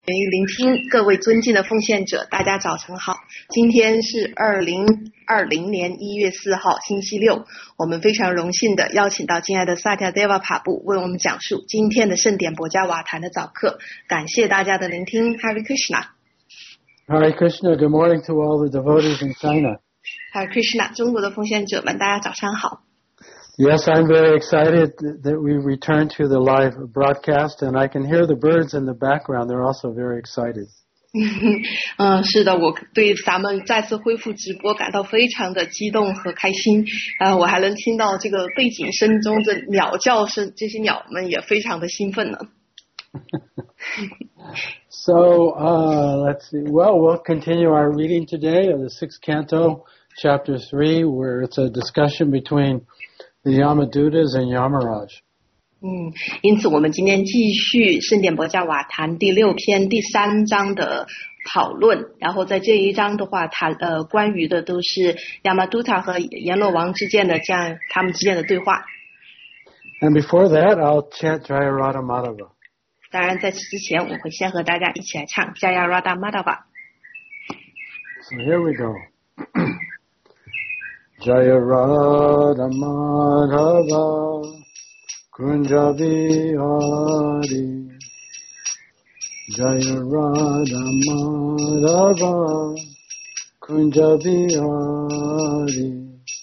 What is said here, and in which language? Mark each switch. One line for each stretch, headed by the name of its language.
Chinese: 欢迎聆听各位尊敬的奉献者，大家早晨好。今天是2020年1月4号，星期六。我们非常荣幸地邀请到敬爱的萨提亚德瓦帕布为我们讲述今天的圣典博加瓦坛的早课。感谢大家的聆听 ，Hare Krishna。
English: Hare Krishna, good morning to all the devotees in China.
Chinese: Hare Krishna, 中国的奉献者们，大家早上好。
English: Yes, I'm very excited that we return to the live broadcast, and I can hear the birds in the background. They're also very excited.
Chinese: 是的，我对咱们再次恢复直播感到非常的激动和开心。我还能听到这个背景声中的鸟叫声，这些鸟们也非常的兴奋呢。
English: So, let's see. Well, we'll continue our reading today of the sixth canto, chapter 3, where it's a discussion between the Yamadutas and Yamaraj.
Chinese: 因此我们今天继续圣典博加瓦坛第六篇第三章的讨论，然后在这一章的话谈关于的都是 Yamaduta 和阎罗王之间的这样他们之间的对话。
English: And before that, I'll chant Jaya Radha Madhava.
Chinese: 当然在此之前我会先和大家一起来唱 Jaya Radha Madhava.
English: So here we go.
Sanskrit: Jaya Radha Madhava Kunjabi Hari Jaya Radha Madhava Kunjabi Hari